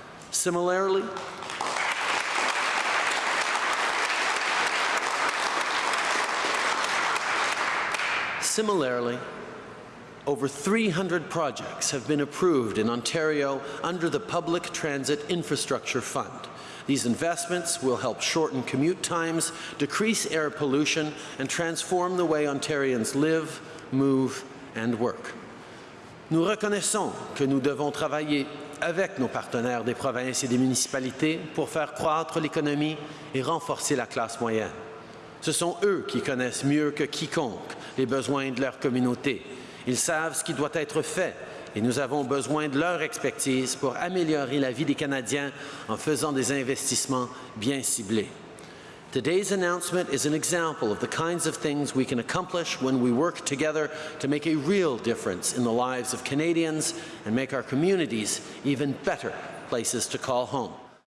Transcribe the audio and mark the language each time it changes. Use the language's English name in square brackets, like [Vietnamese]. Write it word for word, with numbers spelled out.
[English] Similarly, similarly, over three hundred projects have been approved in Ontario under the Public Transit Infrastructure Fund. These investments will help shorten commute times, decrease air pollution, and transform the way Ontarians live, move, and work. [French] Nous reconnaissons que nous devons travailler avec nos partenaires des provinces et des municipalités pour faire croître l'économie et renforcer la classe moyenne. Ce sont eux qui connaissent mieux que quiconque les besoins de leur communauté. Ils savent ce qui doit être fait et nous avons besoin de leur expertise pour améliorer la vie des Canadiens en faisant des investissements bien ciblés. [English] Today's announcement is an example of the kinds of things we can accomplish when we work together to make a real difference in the lives of Canadians and make our communities even better places to call home.